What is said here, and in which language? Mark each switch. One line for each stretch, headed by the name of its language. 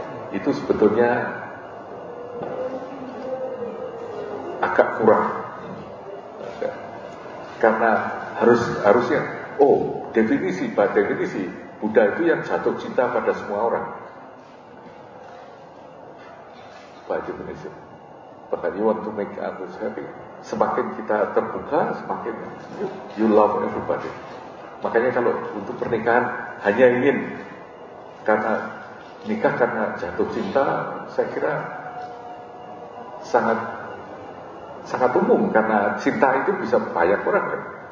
Indonesian: Itu sebetulnya agak kurang, karena harusnya, oh definisi, pada definisi Buddha itu yang jatuh cinta pada semua orang.
English: By definition, but you want to make others happy.
Indonesian: Semakin kita terbuka, semakin
English: you love everybody.
Indonesian: Makanya kalau untuk pernikahan hanya ingin karena nikah karena jatuh cinta, saya kira sangat sangat umum karena cinta itu bisa banyak orang kan.